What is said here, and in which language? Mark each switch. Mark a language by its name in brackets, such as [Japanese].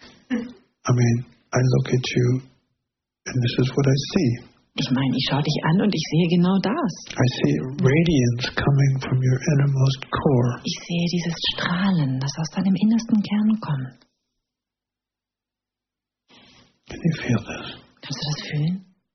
[English] I mean, I look at you and this is what I see. [German] Ich meine, ich schaue dich an und ich sehe genau das. [English] I see radiance coming from your innermost core. [German] Ich sehe dieses Strahlen, das aus deinem innersten Kern kommt. [English] Can you feel this? [German] Kannst du das fühlen?